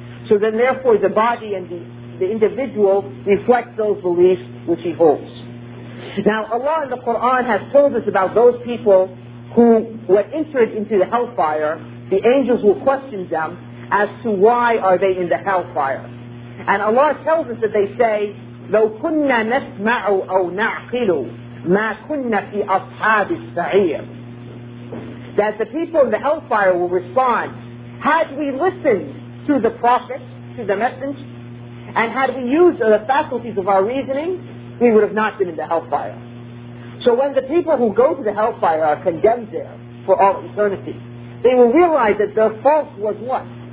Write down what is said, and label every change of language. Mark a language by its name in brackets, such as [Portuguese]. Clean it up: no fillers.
[English] So then therefore the body and the individual reflect those beliefs which he holds. Now Allah in the Quran has told us about those people who, when entered into the hellfire, the angels will question them as to why are they in the hellfire. And Allah tells us that they say, [Arabic] لو كنا نسمع أو نعقل ما كنا في أصحاب السعير. [English] That the people in the hellfire will respond, had we listened to the Prophet, to the Messenger, and had we used the faculties of our reasoning, we would have not been in the hellfire. So when the people who go to the hellfire are condemned there for all eternity, they will realize that their fault was what?